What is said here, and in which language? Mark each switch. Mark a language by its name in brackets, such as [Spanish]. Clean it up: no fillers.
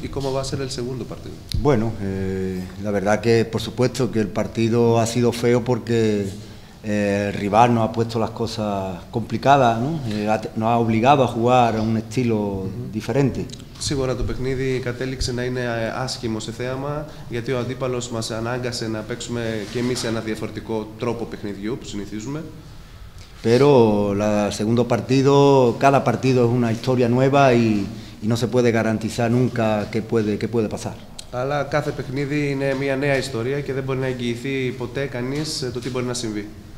[Spanish] ¿Y cómo va a ser el segundo partido? Bueno, la verdad que, por supuesto, que el partido ha sido feo porque el rival nos ha puesto las cosas complicadas, ¿no? Nos ha obligado a jugar a un estilo diferente. [Greek] Σίγουρα το παιχνίδι κατέληξε να είναι άσχημο σε θέαμα, γιατί ο αντίπαλος μας ανάγκασε να παίξουμε και εμείς ένα διαφορετικό τρόπο παιχνιδιού που συνηθίζουμε. [Spanish] Pero el segundo partido, cada partido es una historia nueva y no se puede garantizar nunca qué puede pasar. [Greek] Αλλά κάθε παιχνίδι είναι μια νέα ιστορία και δεν μπορεί να εγγυηθεί ποτέ κανείς το τι μπορεί να συμβεί.